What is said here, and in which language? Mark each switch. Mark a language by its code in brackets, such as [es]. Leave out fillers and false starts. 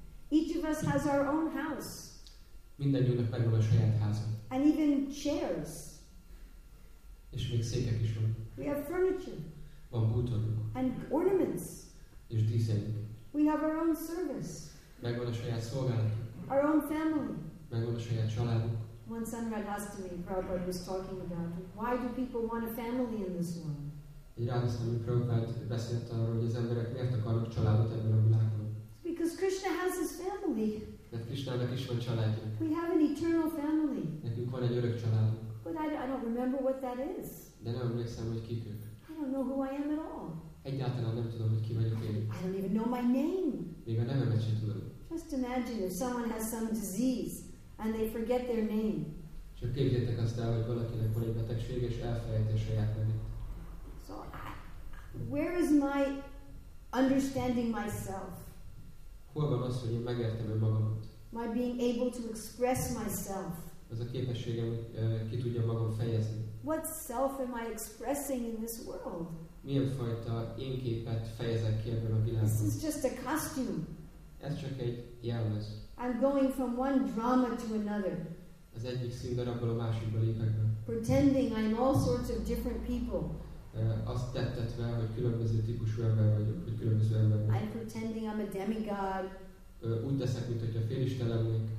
[en] Each of us has our own house. [hu] Mindegyünknek megvan a saját háza. [en] And even chairs. [hu] És még székek is van. [en] We have furniture. [hu] Van bútorunk. [en] And ornaments. [hu] És díszeink. [en] We have our own service. [hu] Megvan a saját szolgálat. [en] Our own family. [hu] Megvan a saját családunk. [en] One son read us to me, Prabhupada was talking about, why do people want a family in this world? [hu] Egy rádhasztam, hogy Prabhupada beszélt arról, hogy az emberek miért akarnak családot ebben a világban. [en] Because Krishna has his family. [hu] Mert Krishnának is van családja. [en] We have an eternal family. [hu] Nekünk van egy örök családunk. [en] But I don't remember what that is. [hu] De nem emlékszem, hogy kik ők. [en] I don't know who I am at all. [hu] Egyáltalán nem tudom, hogy ki vagyok én. [en] I don't even know my name. [hu] Még a nevemet sem tudom. [en] Just imagine if someone has some disease and they forget their name. [hu] Csak képzeljétek azt el, hogy valakinek van egy betegség és elfelejti a saját nevét. [en] So, where is my understanding myself? [hu] Hol van az, hogy én megértem önmagamat? [en] My being able to express myself. [hu] Az a képességem, hogy ki tudja magam fejezni. [en] What self am I expressing in this world? [hu] Milyen fajta én képet fejezek ki ebben a világban? [en] This is just a costume. [hu] Ez csak egy jelmez. [en] I'm going from one drama to another. [hu] Az egyik színdarabból a másikba lépek be. [en] Pretending I'm all sorts of different people. [hu] Azt tettetve, hogy különböző típusú ember vagyok, hogy különböző ember vagyok. [en] I'm pretending I'm a demigod. [hu] Úgy teszek, mint hogyha félisten lennék.